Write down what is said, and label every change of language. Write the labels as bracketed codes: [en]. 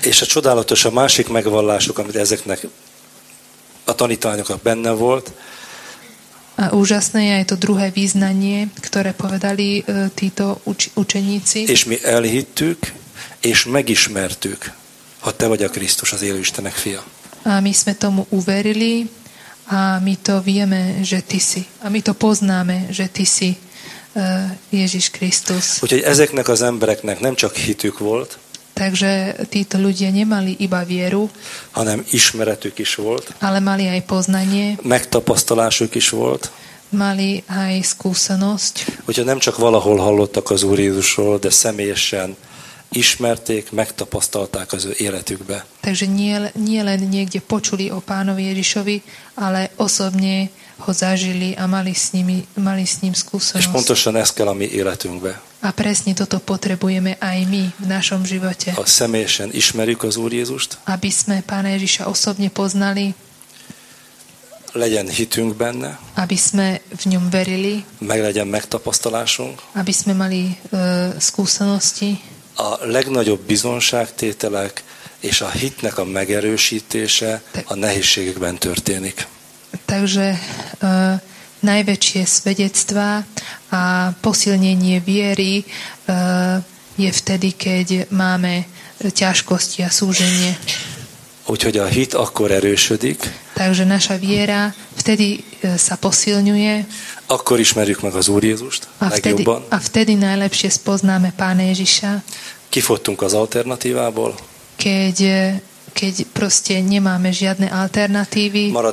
[hu] És a csodálatos a másik megvallásuk, amit ezeknek a tanítványoknak benne volt. [sk] A úžasné je aj to druhé vyznanie, ktoré povedali títo učeníci. [hu] És mi elhittük, és megismertük, hogy te vagy a Krisztus, az élő Istenek fia. [sk] A my sme tomu uverili, a my to vieme, že ty si. A my to poznáme, že ty si Ježiš Kristus. [hu] Úgyhogy ezeknek az embereknek nem csak hitük volt, [sk] takže títo ľudia nemali iba vieru, [hu] hanem ismeretük is volt, [sk] ale mali aj poznanie, [hu] megtapasztalásuk is volt, [sk] mali aj skúsenosť. [hu] Úgyhogy nem csak valahol hallottak az Úr Jézusról, de személyesen ismerték, megtapasztalták az ő életükbe. [sk] Takže nie len niekde počuli o Pánovi Ježišovi, ale osobne ho zažili a mali s ním skúsenosť. [hu] És pontosan ez kell a mi életünkbe. [sk] A presne toto potrebujeme aj my v našom živote. [hu] A személyesen ismerjük az Úr Jézust. [sk] Aby sme Pána Ježiša osobne poznali. [hu] Legyen hitünk benne. [sk] Aby sme v ňom verili. [hu] Meg legyen megtapasztalásunk. [sk] Aby sme mali skúsenosti. [hu] A legnagyobb bizonságtételek és a hitnek a megerősítése a nehézségekben történik. [sk] Takže najväčšie svedectvá a posilnenie viery je vtedy, keď máme ťažkosti a súženie. [hu] Úgyhogy a hit akkor erősödik. [sk] Takže naša viera vtedy sa posilňuje. [hu] Akkor ismerjük meg az Úr Jézust legjobban. [sk] A vtedy najlepšie spoznáme Pána Ježiša. [hu] Kifogtunk az alternatívából. [sk] Keď proste nemáme žiadne alternatívy.